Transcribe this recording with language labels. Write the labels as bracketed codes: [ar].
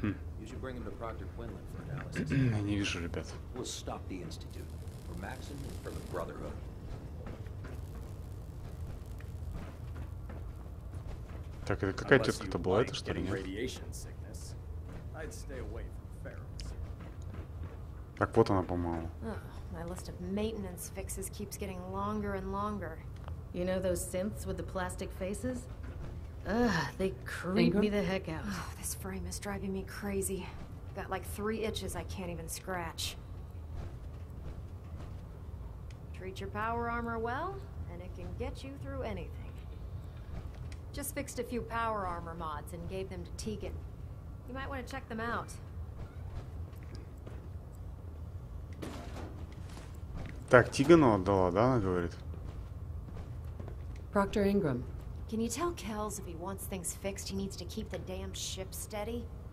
[en] You should bring them to Proctor Quinlan for analysis. [ru] Я не вижу, ребят. [en] We'll stop the institute for Maxim and for the Brotherhood. [ru] Так, это какая тетка-то была, это что ли, нет? [en] I'd stay away from ferals. [ru] Так вот она, по-моему. [en] My list of maintenance fixes keeps getting longer and longer. You know those synths with the plastic faces? Ugh, they creep me the heck out. Oh, this frame is driving me crazy. Got like three itches I can't even scratch. Treat your power armor well, and it can get you through anything. Just fixed a few power armor mods and gave them to Tegan. You might want to check them out. [ru] Так, Тигану отдала, да, она говорит? Проктор Ингрэм. [en] Can you tell Kells if he wants things fixed, he needs to keep the damn ship steady?